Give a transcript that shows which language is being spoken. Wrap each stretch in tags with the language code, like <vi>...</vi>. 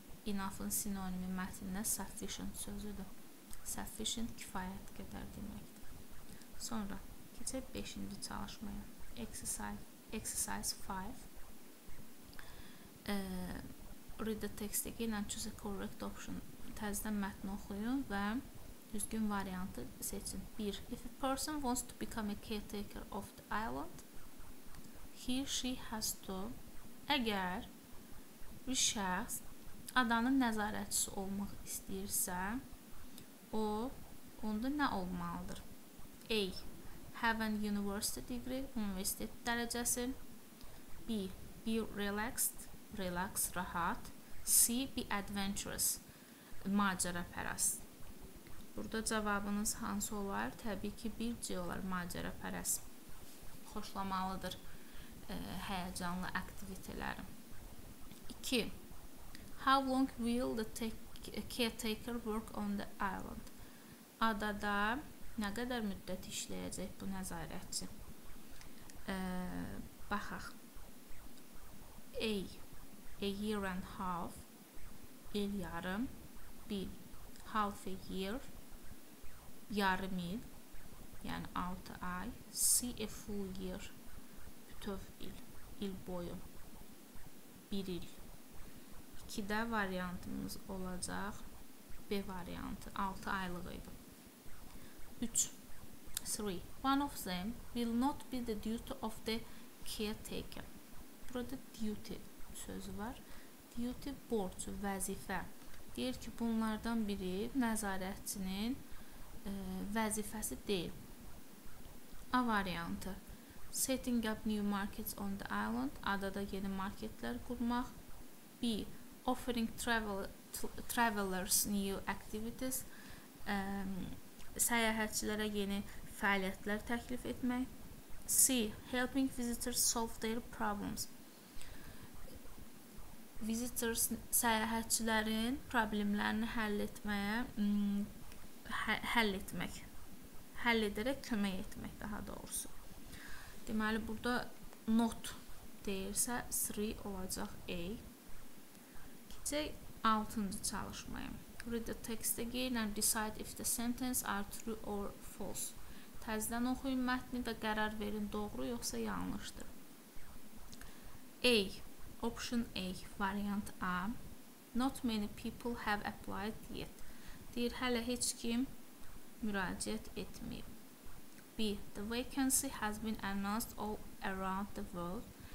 <az>Enough-ın sinonimi mətnində sufficient sözüdür. Sufficient kifayət qədər deməkdir. Sonra keçək 5-ci çalışmaya.</az> <en>Exercise 5. Read the text again and choose a correct option.</en> <az>Təzədən mətni oxuyun və düzgün variantı seçin. 1.</az> <en>If a person wants to become a caretaker of the island, he or she has to.</en> <az>Əgər bir şəxs adanın nəzarətçisi olmaq istəyirsə, o, onda nə olmalıdır?</az> <en>A. Have a university degree,</en> <az>universitet dərəcəsi.</az> <en>B. Be relaxed, relax, rahat. C. Be adventurous, macərəpərəst.</en> <az>Burada cavabınız hansı olar? Təbii ki, bir C olar, macərəpərəst. Xoşlamalıdır. Həyəcanlı aktivitələri. 2.</az> <en>How long will the caretaker work on the island?</en> <az>Adada nə qədər müddət işləyəcək bu nəzarətçi? Baxaq.</az> <en>A. A year and half.</en> <az>İl yarım.</az> <en>B. Half a year.</en> <az>Yarım il. Yəni 6 ay. C.</az> <en>A full year.</en> <az>Bütöv il, il boyu, bir il. 2-də variantımız olacaq, B variantı, 6 aylıq idi. 3. 3.</az> <en>One of them will not be the duty of the caretaker.</en> <az>Burada duty sözü var. Duty, borc, vəzifə. Deyir ki, bunlardan biri nəzarətçinin vəzifəsi deyil. A variantı.</az> <en>Setting up new markets on the island.</en> <az>Adada yeni marketlər qurmaq. B.</az> <en>Offering travelers new activities.</en> <az>Səyahətçilərə yeni fəaliyyətlər təklif etmək. C.</az> <en>Helping visitors solve their problems.</en> <az>Visitors səyahətçilərin problemlərini həll edərək kömək etmək daha doğrusu. Deməli, burada not deyirsə, 3 olacaq A. Keçək 6-cı çalışmaya.</az> <en>Read the text again and decide if the sentence are true or false.</en> <az>Təzədən oxuyun mətni və qərar verin doğru yoxsa yanlışdır.</az> <en>A. Option A. Variant A. Not many people have applied yet.</en> <az>Deyir, hələ heç kim müraciət etməyib.</az> <en>B. The vacancy has been announced all around the world.</en>